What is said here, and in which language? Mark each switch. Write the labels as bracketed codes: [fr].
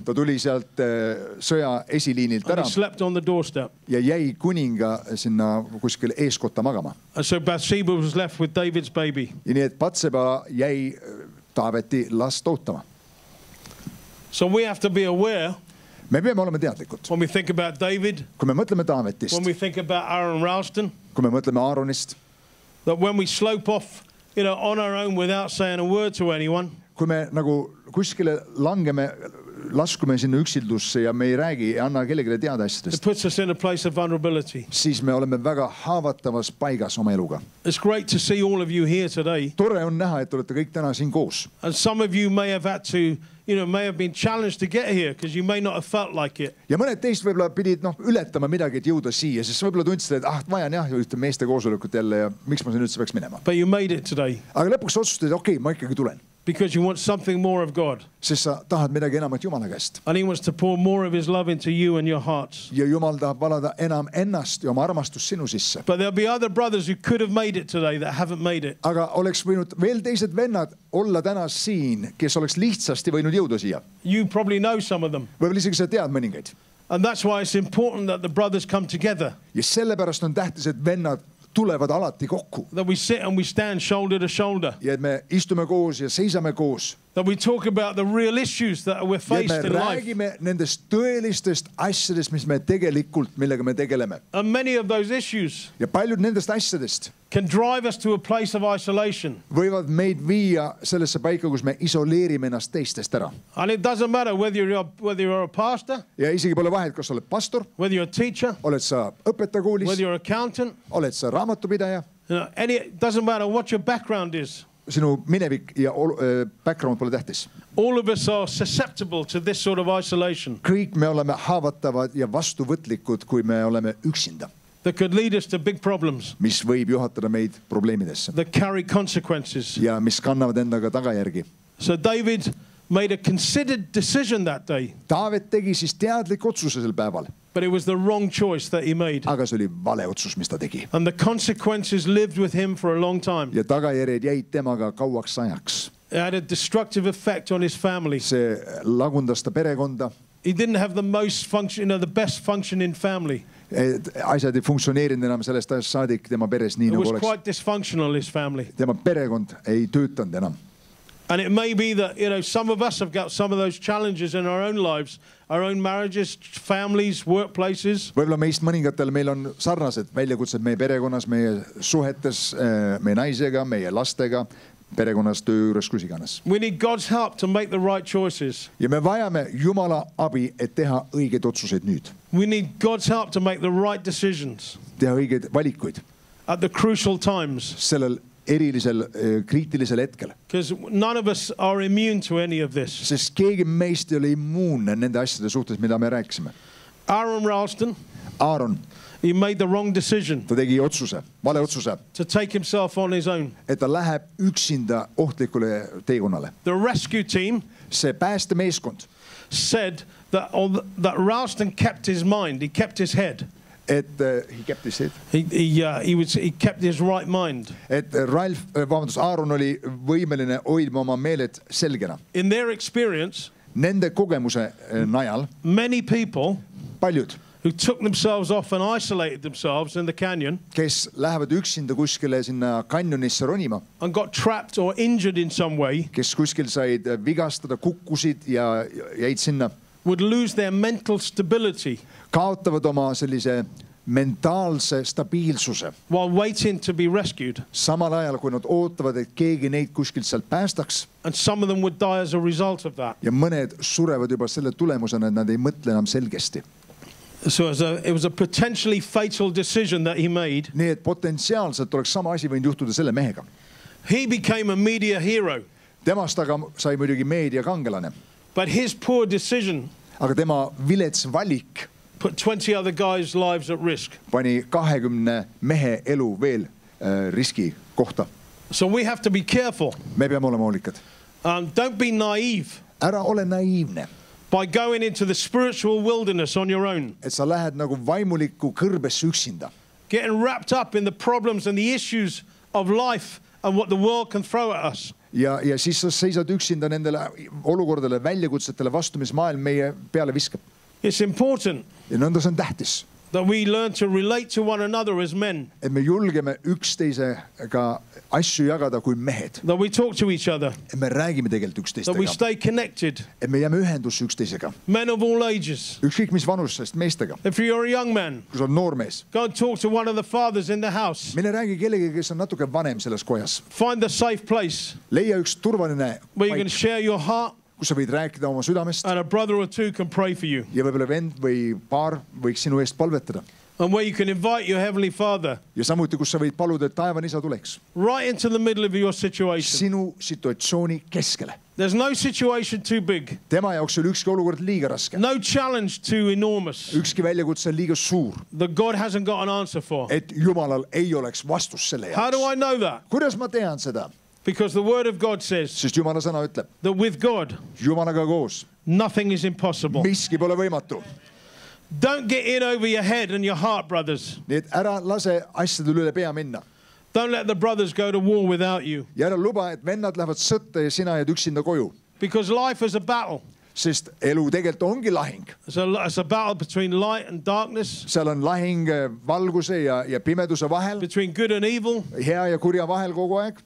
[et] Ta tuli sealt sõja esiliinilt ära. [en] And he slept on the doorstep. [et] Ja jäi kuninga sinna kuskil eeskotta magama. [en] And so Bathsheba was left with David's baby. [et] Ja nii, et Batseba jäi Taaveti last ootama. [en] So we have to be aware. [et] Me peame olema teadlikud. [en] When we think about David, [et] kui me mõtleme Taavetist, [en] when we think about Aaron Ralston, [et] kui me mõtleme Aaronist, [en] that when we slope off, you know, on our own without saying a word to anyone, [et] kui me nagu kuskile langeme, laskume sinna üksildusse ja me ei räägi ja anna kellegile teada asjadest, [en] it puts us in a place of vulnerability. [et] Siis me oleme väga haavatavas paigas oma eluga. [en] It's great to see all of you here today. [et] Tore on näha, et olete kõik täna siin koos. [en] And some of you may have had to, you know, may have been challenged to get here because you may not have felt like it. [et] Ja mõned teist võibolla pidid ületama midagi, et jõuda siia, sest võibolla tundsid, et vajan jah ühte meeste koosolekut jälle ja miks ma siin üldse peaks minema. [en] But you made it today. [et] Aga lõpuks otsustasid, okei, ma ikkagi tulen. [en] Because you want something more of God. [et] Sest sa tahad midagi enamat Jumala käest. [en] And he wants to pour more of his love into you and your hearts. [et] Ja Jumal tahab valada enam ennast ja oma armastus sinu sisse. [en] But there'll be other brothers who could have made it today that haven't made it. [et] Aga oleks võinud veel teised vennad olla täna siin, kes oleks lihtsasti võinud jõuda siia. [en] You probably know some of them. [et] Võib-olla isegi sa tead mõningaid. [en] And that's why it's important that the brothers come together. [et] Ja sellepärast on tähtis, et vennad tulevad alati kokku. [en] That we sit and we stand shoulder to shoulder. [et] Ja et me istume koos ja seisame koos. [en] That we talk about the real issues that we're faced in life. [et] Ja me räägime nendest tõelistest asjadest, mis me tegelikult, millega me tegeleme. [en] And many of those issues. [et] Ja paljud nendest asjadest. [en] Can drive us to a place of isolation. [et] Võivad meid viia sellesse paika, kus me isoleerime ennast teistest ära. [en] And it doesn't matter whether you're a pastor. [et] Ja isegi pole vahet, kas oled pastor. [en] Whether you're a teacher. [et] Oled sa õpetaja koolis. [en] Whether you're an accountant. [et] Oled sa raamatupidaja. [en] It doesn't matter what your background is. [et] Sinu minevik ja background pole tähtis. [en] All of us are susceptible to this sort of isolation. [et] Kõik me oleme haavatavad ja vastuvõtlikud, kui me oleme üksinda. [en] That could lead us to big problems. [et] Mis võib juhatada meid probleemidesse. [en] That carry consequences. [et] Ja mis kannavad endaga tagajärgi. [en] So David made a considered decision that day. [et] David tegi siis teadlik otsuse sel päeval. [en] But it was the wrong choice that he made. [et] Aga see oli vale otsus, mis ta tegi. [en] And the consequences lived with him for a long time. [et] Ja tagajärjed jäid temaga kauaks ajaks. [en] It had a destructive effect on his family. [et] See lagundas ta perekonda. [en] He didn't have the most function, you know, the best function in family. [et] Asjad ei funksioneerinud enam sellest ajast saadik tema peres nii nagu oleks. [en] It was quite dysfunctional, his family. [et] Tema perekond ei töötanud enam. [en] And it may be that, you know, some of us have got some of those challenges in our own lives, our own marriages, families, workplaces. [et] Võib-olla meist mõningatel meil on sarnased väljakutsed meie perekonnas, meie suhetes, meie naisega, meie lastega. Perekonnas töö juures küsiganes. [en] We need God's help to make the right choices. [et] Ja me vajame Jumala abi, et teha õiged otsused nüüd. [en] We need God's help to make the right decisions. [et] Teha õiged valikuid. [en] At the crucial times. [et] Sellel erilisel, kriitilisel hetkel. [en] Because none of us are immune to any of this. [et] Sest keegi meist ei ole immuunne nende asjade suhtes, mida me rääkisime. [en] Aaron Ralston. He made the wrong decision. [et] Ta tegi otsuse, vale otsuse. [en] To take himself on his own. [et] Et ta läheb üksinda ohtlikule teekonnale. [en] The rescue team. [et] See päästemeeskond. [en] Said that Ralston kept his mind. He kept his head. [et] Et [en] he kept his head. He kept his right mind. [et] Et Ralph, vabandust, Aaron oli võimeline hoidma oma meeled selgena. [en] In their experience. [et] Nende kogemuse najal. [en] Many people. [et] Paljud. [en] Who took themselves off and isolated themselves in the canyon? [et] Kes lähevad üksinda kuskile sinna kanjonisse ronima? [en] And got trapped or injured in some way? [et] Kes kuskil said vigastada, kukkusid ja jäid sinna? [en] Would lose their mental stability? [et] Kaotavad oma sellise mentaalse stabiilsuse. [en] While waiting to be rescued. [et] Samal ajal, kui nad ootavad, et keegi neid kuskil seal päästaks. [en] And some of them would die as a result of that. [et] Ja mõned surevad juba selle tulemusena, et nad ei mõtle enam selgesti. [en] So it was a potentially fatal decision that he made. [et] Nii et potentsiaalselt oleks sama asi võinud juhtuda selle mehega. [en] He became a media hero. [et] Temast aga sai muidugi meedia kangelane. [en] But his poor decision. [et] Aga tema vilets valik. [en] Put 20 other guys' lives at risk. [et] Pani 20 mehe elu veel riski kohta. [en] So we have to be careful. [et] Me peame olema hoolikad. [en] Don't be naive. [et] Ära ole naiivne. [en] By going into the spiritual wilderness on your own. [et] Et sa lähed nagu vaimuliku kõrbes üksinda. [en] Getting wrapped up in the problems and the issues of life and what the world can throw at us. [et] Ja siis sa seisad üksinda nendele olukordele väljakutsetele vastu, mis maailm meie peale viskab. [en] It's important. [et] Ja nõndas on tähtis. [en] That we learn to relate to one another as men. [et] Et me julgeme üksteisega asju jagada kui mehed. [en] That we talk to each other. [et] Et me räägime tegelikult üksteisega. [en] That we stay connected. [et] Et me jääme ühendus üksteisega. [en] Men of all ages. [et] Ükskõik mis vanusest meestega. [en] If you're a young man. [et] Kui sa on noor mees. [en] Go and talk to one of the fathers in the house. [et] Mine räägi kellegi, kes on natuke vanem selles kojas. [en] Find a safe place. [et] Leia üks turvaline paik. [en] Where you can share your heart. [et] Kus sa võid rääkida oma südamest. [en] And a brother or two can pray for you. [et] Ja võib-olla vend või paar võiks sinu eest palvetada. [en] And where you can invite your heavenly father. [et] Ja samuti, kus sa võid paluda, et taevane isa tuleks. [en] Right into the middle of your situation. [et] Sinu situatsiooni keskele. [en] There's no situation too big. [et] Tema jaoks oli ükski olukord liiga raske. [en] No challenge too enormous. [et] Ükski väljakutse liiga suur. [en] That God hasn't got an answer for. [et] Et Jumalal ei oleks vastus selle jaoks. [en] How do I know that? [et] Kuidas ma tean seda? [en] Because the word of God says, [et] sest Jumala sõna ütleb, [en] that with God, [et] Jumalaga koos, [en] nothing is impossible. [et] Miski pole võimatu. [en] Don't get in over your head and your heart, brothers. [et] Nii et ära lase asjadel üle pea minna. [en] Don't let the brothers go to war without you. [et] Ja ära luba, et vennad lähevad sõtta ja sina jääd üksinda koju. [en] Because life is a battle. [et] Sest elu tegelikult ongi lahing. [en] It's a battle between light and darkness. [et] Seal on lahing valguse ja pimeduse vahel. [en] Between good and evil. [et] Hea ja kurja vahel kogu aeg.